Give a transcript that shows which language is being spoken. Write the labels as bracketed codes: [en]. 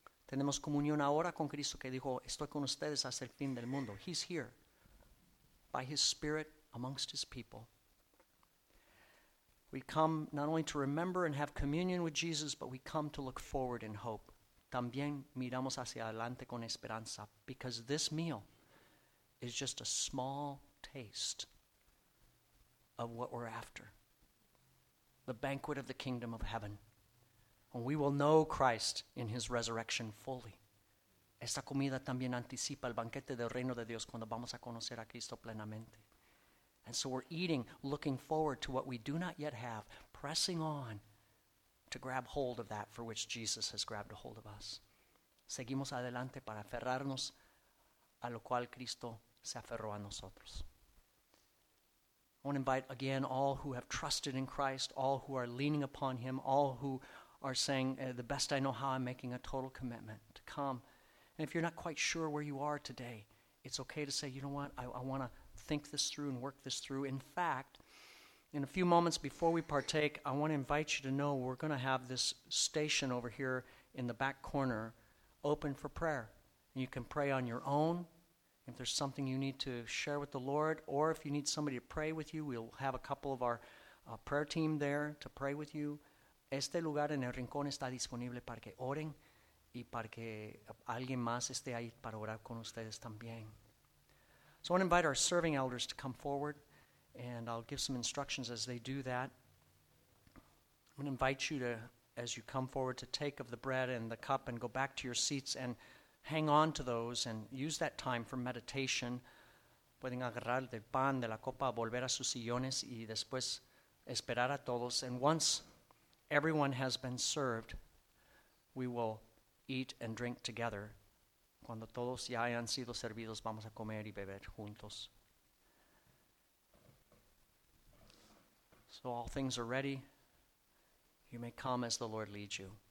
[es] Tenemos comunión ahora con Cristo que dijo, estoy con ustedes hasta el fin del mundo. [en] He's here by his spirit amongst his people. We come not only to remember and have communion with Jesus, but we come to look forward in hope. [es] También miramos hacia adelante con esperanza, [en] because this meal is just a small taste of what we're after, the banquet of the kingdom of heaven, when we will know Christ in his resurrection fully. [es] Esta comida también anticipa el banquete del reino de Dios cuando vamos a conocer a Cristo plenamente. [en] And so we're eating, looking forward to what we do not yet have, pressing on to grab hold of that for which Jesus has grabbed a hold of us. [es] Seguimos adelante para aferrarnos a lo cual Cristo se aferró a nosotros. [en] I want to invite again all who have trusted in Christ, all who are leaning upon him, all who are saying, the best I know how, I'm making a total commitment to come. And if you're not quite sure where you are today, it's okay to say, you know what, I want to think this through and work this through. In fact, in a few moments before we partake, I want to invite you to know we're going to have this station over here in the back corner open for prayer. You can pray on your own. If there's something you need to share with the Lord, or if you need somebody to pray with you, we'll have a couple of our prayer team there to pray with you. [es] Este lugar en el rincón está disponible para que oren y para que alguien más esté ahí para orar con ustedes también. [en] So I want to invite our serving elders to come forward, and I'll give some instructions as they do that. I'm going to invite you to, as you come forward, to take of the bread and the cup and go back to your seats and hang on to those and use that time for meditation. [es] Pueden agarrar del pan, de la copa, volver a sus sillones y después esperar a todos. [en] And once everyone has been served, we will eat and drink together. [es] Cuando todos ya hayan sido servidos, vamos a comer y beber juntos. [en] So all things are ready. You may come as the Lord leads you.